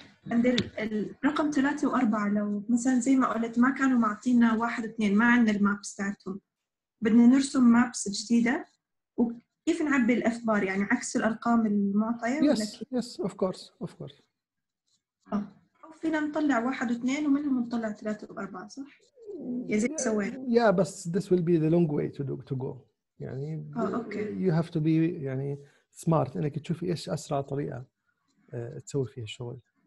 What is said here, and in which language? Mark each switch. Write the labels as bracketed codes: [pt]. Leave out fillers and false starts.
[ar] عند الرقم 3 و4 لو مثلا زي ما قلت ما كانوا معطينا 1 2 ما عندنا المابس تاعتهم. بدنا نرسم مابس جديدة وكيف نعبي الاف بار يعني عكس الأرقام المعطية [en] yes. [ar] ولا كيف؟ [en] Yes, of course, of course. [ar] أو فينا نطلع 1 2 ومنهم نطلع 3 و4 صح؟ يا زي سوينا. [en] Yeah, [ar] بس [en] this will be the long way to go. [ar] يعني أوكي. [en] You have to be [ar] يعني [en] smart [ar] انك تشوفي ايش اسرع طريقه تسوي فيها الشغل.